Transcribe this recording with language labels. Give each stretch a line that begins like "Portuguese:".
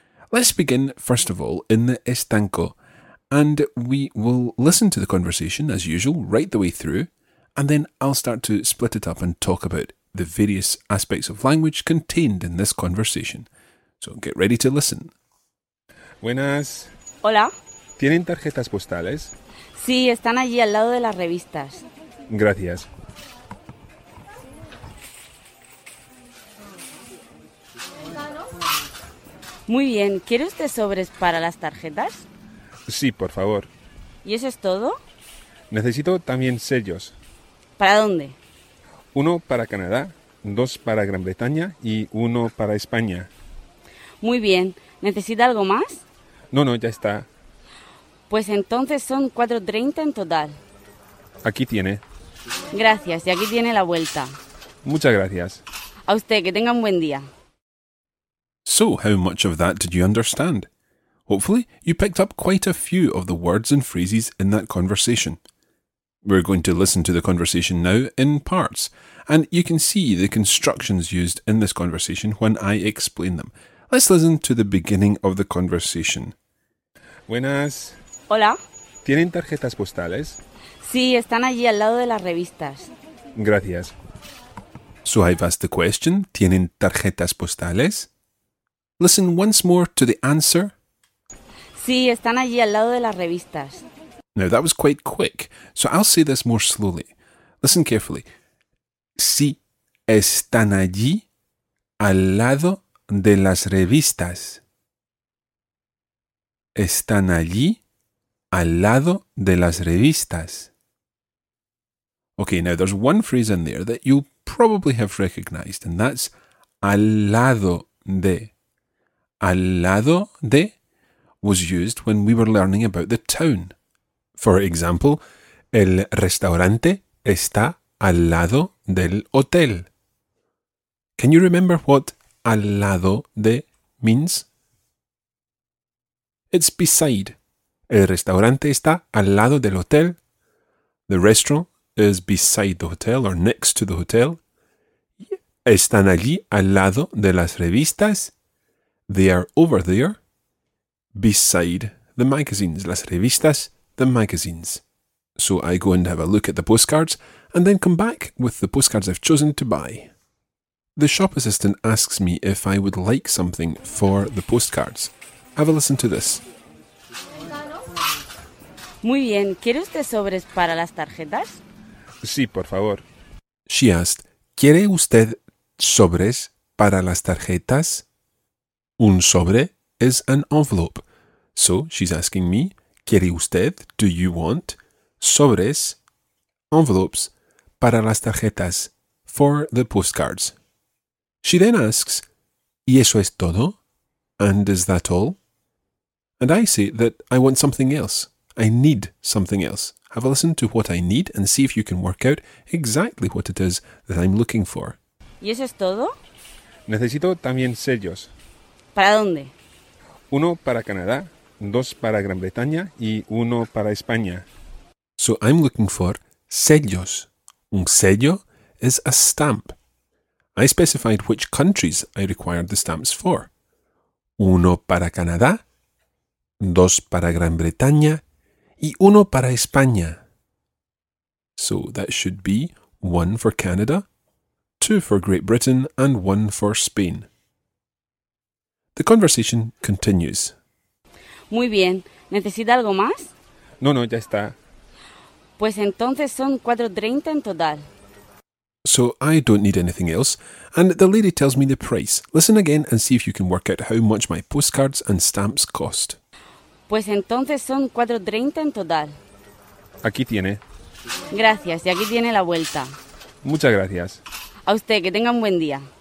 English: Let's begin, first of all, in the estanco, and we will listen to the conversation as usual right the way through, and then I'll start to split it up and talk about the various aspects of language contained in this conversation. So get ready to listen.
Spanish: Buenas. Hola. ¿Tienen tarjetas postales? Sí, están allí al lado de las revistas. Gracias. Muy bien. ¿Quiere usted sobres para las tarjetas? Sí, por favor. ¿Y eso es todo? Necesito también sellos. ¿Para dónde? Uno para Canadá, dos para Gran Bretaña y uno para España. Muy bien. ¿Necesita algo más? No, ya está. Pues entonces son 4.30 en total. Aquí tiene. Gracias, y aquí tiene la vuelta. Muchas gracias. A usted, que tenga un buen día.
English: So, how much of that did you understand? Hopefully, you picked up quite a few of the words and phrases in that conversation. We're going to listen to the conversation now in parts, and you can see the constructions used in this conversation when I explain them. Let's listen to the beginning of the conversation.
Spanish: Buenas. Hola. ¿Tienen tarjetas postales? Sí, están allí al lado de las revistas. Gracias.
English: So I've asked the question,
Spanish: ¿tienen tarjetas postales?
English: Listen once more to the answer.
Spanish: Sí, están allí al lado de las revistas.
English: Now that was quite quick, so I'll say this more slowly. Listen carefully.
Spanish: Sí, están allí al lado de las revistas. Están allí al lado de las revistas.
English: Okay, now there's one phrase in there that you'll probably have recognized, and that's
Spanish: al lado de. Al lado de
English: was used when we were learning about the town. For example,
Spanish: el restaurante está al lado del hotel.
English: Can you remember what al lado de means? It's beside.
Spanish: El restaurante está al lado del hotel.
English: The restaurant is beside the hotel or next to the hotel.
Spanish: Están allí al lado de las revistas.
English: They are over there. Beside the magazines.
Spanish: Las revistas,
English: the magazines. So I go and have a look at the postcards and then come back with the postcards I've chosen to buy. The shop assistant asks me if I would like something for the postcards. Have a listen to this.
Spanish: Muy bien. ¿Quiere usted sobres para las tarjetas? Sí, por favor.
English: She asked,
Spanish: ¿Quiere usted sobres para las tarjetas? Un sobre
English: is an envelope. So she's asking me,
Spanish: ¿Quiere usted,
English: do you want,
Spanish: sobres,
English: envelopes,
Spanish: para las tarjetas,
English: for the postcards? She then asks,
Spanish: ¿Y eso es todo?
English: And is that all? And I say that I want something else. I need something else. Have a listen to what I need and see if you can work out exactly what it is that I'm looking for.
Spanish: ¿Y eso es todo? Necesito también sellos. ¿Para dónde? Uno para Canadá, dos para Gran Bretaña y uno para España.
English: So I'm looking for sellos.
Spanish: Un sello
English: is a stamp. I specified which countries I required the stamps for.
Spanish: Uno para Canadá, dos para Gran Bretaña y uno para España.
English: So that should be one for Canada, two for Great Britain and one for Spain. The conversation continues.
Spanish: Muy bien. ¿Necesita algo más? No, no, ya está. Pues entonces son 4.30 en total.
English: So I don't need anything else, and the lady tells me the price. Listen again and see if you can work out how much my postcards and stamps cost.
Spanish: Pues entonces son 4.30 en total. Aquí tiene. Gracias, y aquí tiene la vuelta. Muchas gracias. A usted, que tenga un buen día.